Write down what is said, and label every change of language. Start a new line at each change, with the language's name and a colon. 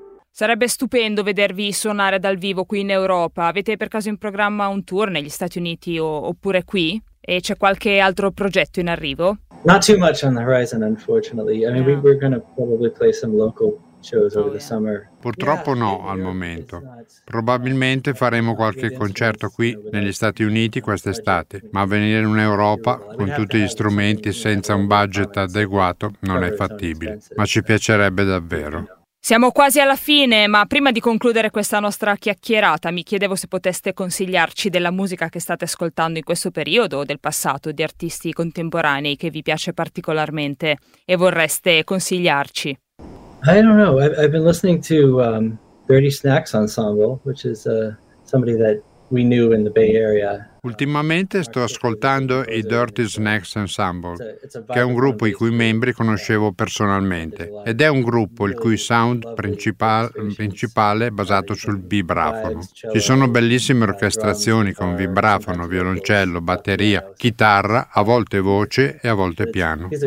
Italian: Sarebbe stupendo vedervi suonare dal vivo qui in Europa. Avete per caso in programma un tour negli Stati Uniti oppure qui? E c'è qualche altro progetto in arrivo?
English: Not too much on the horizon, unfortunately. I mean, yeah. We're going to probably play some local shows over the summer.
Italian: Purtroppo no, al momento. Probabilmente faremo qualche concerto qui negli Stati Uniti quest'estate, ma venire in Europa con tutti gli strumenti senza un budget adeguato non è fattibile. Ma ci piacerebbe davvero. Siamo quasi alla fine, ma prima di concludere questa nostra chiacchierata mi chiedevo se poteste consigliarci della musica che state ascoltando in questo periodo o del passato, di artisti contemporanei che vi piace particolarmente e vorreste consigliarci.
English: I don't know. I've been listening to Dirty Snacks Ensemble, which is somebody that we knew in the Bay Area.
Italian: Ultimamente sto ascoltando i Dirty Snacks Ensemble, che è un gruppo i cui membri conoscevo personalmente, ed è un gruppo il cui sound principale è basato sul vibrafono. Ci sono bellissime orchestrazioni con vibrafono, violoncello, batteria, chitarra, a volte voce e a volte piano.